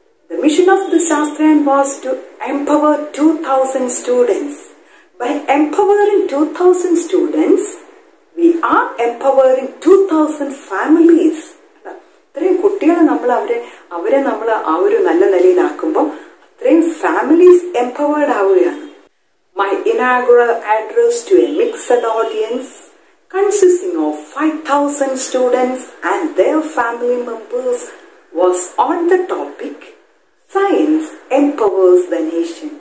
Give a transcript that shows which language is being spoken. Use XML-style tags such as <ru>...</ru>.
<en>The mission of the Shastrayan was to empower 2000 students. By empowering 2000 students, we are empowering 2000 families.</en> <ml>അത്രയും കുട്ടികളെ നമ്മൾ അവരെ നമ്മൾ ആ ഒരു നല്ല നിലയിലാക്കുമ്പോൾ അത്രയും ഫാമിലീസ് എംപവേർഡ് ആവുകയാണ്.</ml> <en>My inaugural address to a mixed audience consisting of 5000 students and their family members was on the topic Science Empowers the Nation.</en>